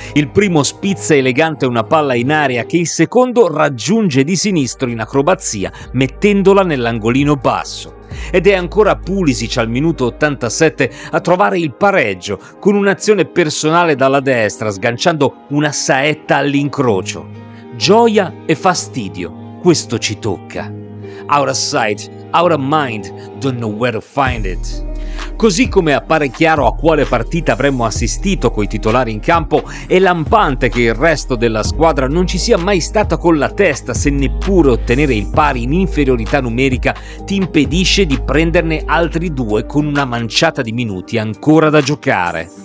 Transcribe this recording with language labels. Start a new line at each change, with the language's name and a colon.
Italian: Il primo spizza elegante una palla in aria che il secondo raggiunge di sinistro in acrobazia, mettendola nell'angolino basso. Ed è ancora Pulisic al minuto 87 a trovare il pareggio con un'azione personale dalla destra, sganciando una saetta all'incrocio. Gioia e fastidio, questo ci tocca.
English: Out of sight, out of mind, don't know where to find it.
Italian: Così come appare chiaro a quale partita avremmo assistito coi titolari in campo, è lampante che il resto della squadra non ci sia mai stata con la testa se neppure ottenere il pari in inferiorità numerica ti impedisce di prenderne altri due con una manciata di minuti ancora da giocare.